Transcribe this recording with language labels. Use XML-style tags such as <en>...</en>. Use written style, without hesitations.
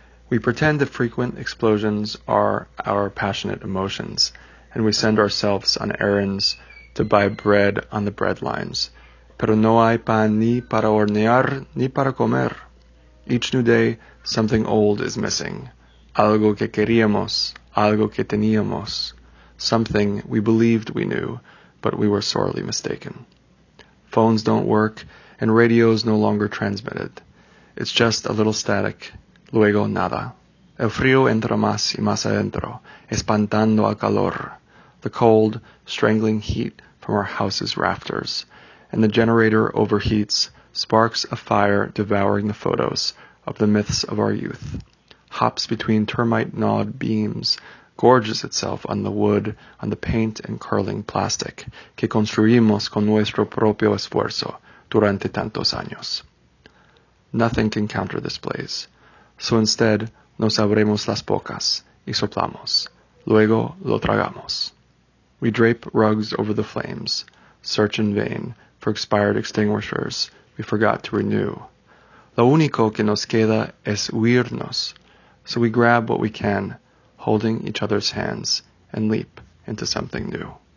<en>We pretend the frequent explosions are our passionate emotions, and we send ourselves on errands to buy bread on the bread lines.</en> <es>Pero no hay pan ni para hornear ni para comer.</es> <en>Each new day, something old is missing.</en> <es>Algo que queríamos, algo que teníamos.</es> <en>Something we believed we knew, but we were sorely mistaken. Phones don't work, and radios no longer transmitted. It's just a little static.</en> <es>Luego nada. El frío entra más y más adentro, espantando al calor.</es> <en>The cold, strangling heat from our house's rafters. And the generator overheats, sparks of fire devouring the photos of the myths of our youth. Hops between termite-gnawed beams, gorges itself on the wood, on the paint and curling plastic</en> <es>que construimos con nuestro propio esfuerzo durante tantos años.</es> <en>Nothing can counter this blaze. So instead,</en> <es>nos abrimos las bocas y soplamos. Luego lo tragamos.</es> <en>We drape rugs over the flames, search in vain for expired extinguishers we forgot to renew.</en> <es>Lo único que nos queda es huirnos.</es> <en>So we grab what we can, holding each other's hands, and leap into something new.</en>